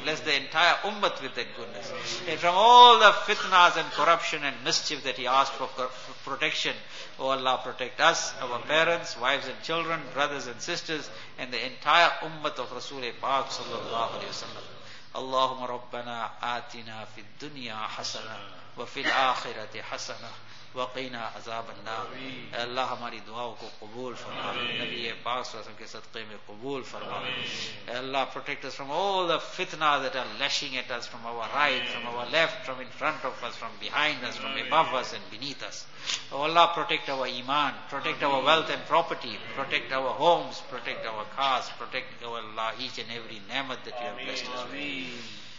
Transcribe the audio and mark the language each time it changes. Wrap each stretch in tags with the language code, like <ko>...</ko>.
<en>Bless the entire ummah with that goodness. And from all the fitnas and corruption and mischief that he asked for protection, oh Allah, protect us, our parents, wives and children, brothers and sisters, and the entire ummah of Rasul Pak sallallahu alaihi wasallam.</en> <ar>Allahumma rabbana atina fi dunya hasana wa fil akhirati hasana وقینا عذاب النار.</ar> <ur>اے اللہ, ہماری دعاؤں کو قبول فرما, نبی پاک صلی اللہ علیہ وسلم کے صدقے میں قبول فرما.</ur> <en>اے اللہ, protect us from all the fitna that are lashing at us from our right, from our left, from in front of us, from behind us, from above us and beneath us. Oh Allah, protect our iman, protect our wealth and property, protect our homes, protect our cars, protect, oh Allah, each and every ni'mat that you have blessed us with.</en>